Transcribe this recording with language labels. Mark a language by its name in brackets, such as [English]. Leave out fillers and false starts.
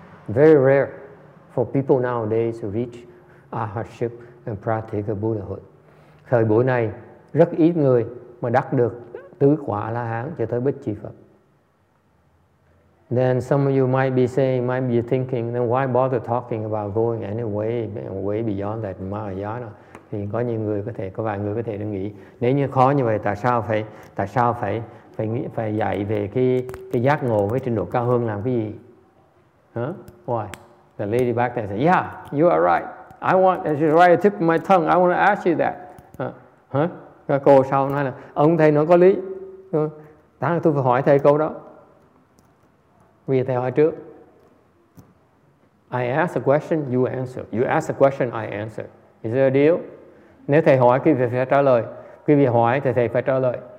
[English] Very rare for people nowadays to reach arhatship and Pratyeka Buddhahood. [Vietnamese] Thời buổi này rất ít người mà đắc được tứ quả La Hán cho tới Bích Chi Phật. [English] Then some of you might be thinking, then why bother talking about going anyway way beyond that Mahayana? [Vietnamese] Thì có nhiều người có thể, có vài người có thể nghĩ, nếu như khó như vậy, tại sao phải phải dạy về cái giác ngộ với trình độ cao hơn làm cái gì? [English] Huh? Why? The lady back there said, yeah, you are right. I want, as you write the tip of my tongue, I want to ask you that. Huh? [Vietnamese] Cô sau nói là, ông thầy nói có lý. Đáng là tôi phải hỏi thầy câu đó. Vì thầy hỏi trước. [English] I ask a question, you answer. You ask a question, I answer. Is there a deal? [Vietnamese] Nếu thầy hỏi, quý vị phải trả lời. Quý vị hỏi, thì thầy phải trả lời.